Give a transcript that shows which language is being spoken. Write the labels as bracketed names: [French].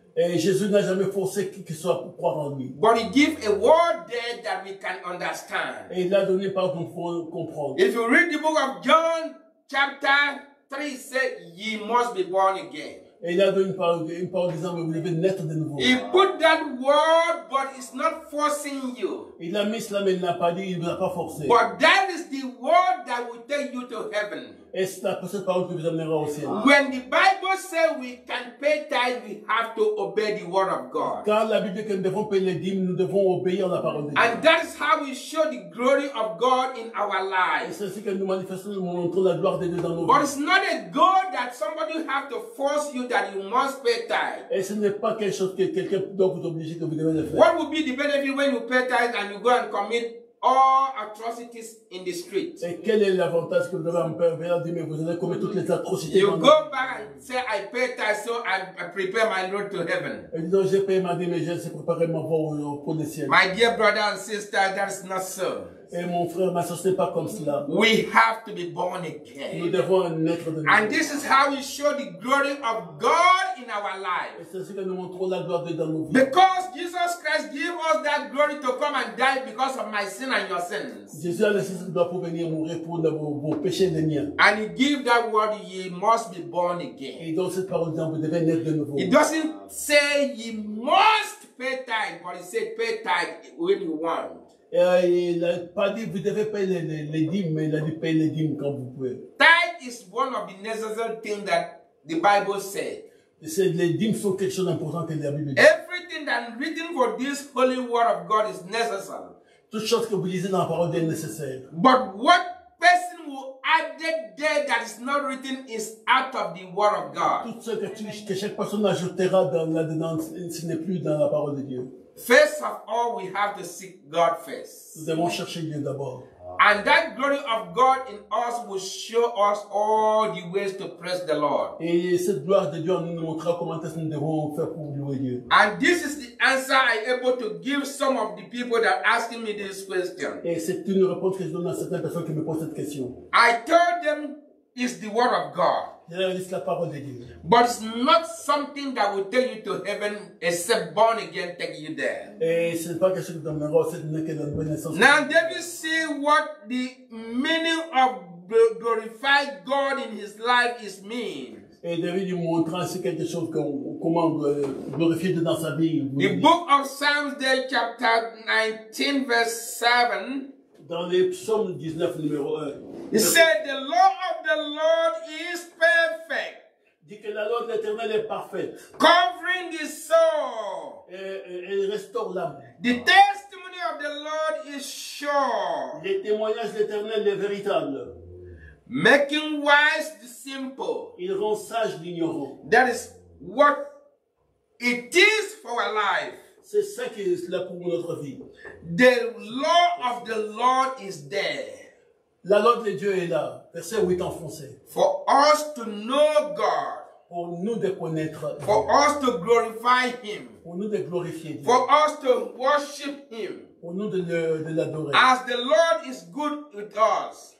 [French] Et Jésus n'a jamais forcé qui que soit pour croire en lui. [English] But he gives a word there that we can understand. [French] Et il a donné par pour comprendre. [English] If you read the book of John, chapter 3, it says, ye must be born again. [French] Et il a donné par exemple, vous devez naître de nouveau. [English] He put that word, but it's not forcing you. [French] Il a mis cela, mais il ne l'a pas dit, il ne l'a pas forcé. [English] But that is the word that will take you to heaven. [French] Et c'est la prochaine parole qui vous amènera au ciel. [English] When the Bible says we can pay tithe, we have to obey the word of God. [French] Quand la Bible dit que nous devons payer les dîmes, nous devons obéir à la parole de Dieu. [English] And that is how we show the glory of God in our lives. [French] Et c'est ainsi que nous manifestons, nous montrons la gloire de Dieu dans nos vies. [English] But it's not a goal that somebody have to force you that you must pay tithe. [French] Et ce n'est pas quelque chose que quelqu'un doit vous obliger que vous devez le faire. [English] What would be the benefit when you pay tithe and you go and commit all atrocities in the street? [French] Et quel est l'avantage que vous devez en faire? Mais vous allez commettre toutes les atrocités. [English] You go back and say, I pay tithe, so I prepare my road to heaven. [French] Et disons, j'ai payé ma dîme, mais je sais préparer ma voie pour le ciel. [English] My dear brother and sister, that's not so. [French] Et mon frère, ma soeur, c'est pas comme cela. [English] We have to be born again. [French] Nous devons naître de nouveau. [English] And this is how we show the glory of God in our life. [French] Et c'est ainsi que nous montrons la gloire de Dieu dans nos vies. [English] Because Jesus Christ gave us that glory to come and die because of my sin and your sins. [French] Jésus a laissé cette gloire pour venir mourir pour vos péchés et les miens. [English] And he gave that word, ye must be born again. [French] Et dans cette parole, vous devez naître de nouveau. [English] It doesn't say ye must pay tithe, but it says pay tithe when you want. [French] Il n'a pas dit vous devez payer les dîmes, mais il a dit payer les dîmes quand vous pouvez. [English] Tithe is one of the necessary things that the Bible said. [French] C'est les dîmes sont quelque chose d'important que la Bible dit. [English] Everything that I'm reading for this holy word of God is necessary. [French] Toute chose que vous lisez dans la parole est nécessaire. [English] But what person will add it there that is not written is out of the word of God. [French] Tout ce que chaque personne ajoutera dans la dedans, ce n'est plus dans la parole de Dieu. [English] First of all, we have to seek God first. [French] Nous devons chercher Dieu d'abord. [English] And that glory of God in us will show us all the ways to praise the Lord. [French] Et cette gloire de Dieu nous montrera comment est-ce que nous devons faire pour louer Dieu. [English] And this is the answer I'm able to give some of the people that are asking me this question. [French] Et c'est une réponse que je donne à certaines personnes qui me posent cette question. [English] I told them it's the word of God. [French] C'est la parole de Dieu. [English] But it's not something that will take you to heaven except born again take you there. [French] Et ce n'est pas quelque chose que vous demandez, c'est une bonne naissance. [English] Now, did you see what the meaning of glorify God in his life is mean? [French] Et David lui montre ainsi quelque chose comment glorifier Dieu dans sa vie. [English] The book of Psalms, there, chapter 19, verse 7. [French] Dans les psaumes 19, numéro 1. [English] He said, the law of the Lord is perfect. [French] Dit que la loi de l'Éternel est parfaite. [English] Covering the soul. [French] Et restaure l'âme. [English] The testimony of the Lord is sure. [French] Le témoignage de l'Éternel est véritable. [English] Making wise the simple. [French] Il rend sage l'ignorant. [English] That is what it is for our life. [French] C'est ça qui est là pour notre vie. [English] The law of the Lord is there. [French] La loi de Dieu est là. Verset 8 en français. [English] For us to know God. [French] Pour nous de connaître Dieu. [English] For us to glorify Him. [French] Pour nous de glorifier Dieu. [English] For us to worship Him. [French] Pour nous de l'adorer. [English] As the Lord is good with us.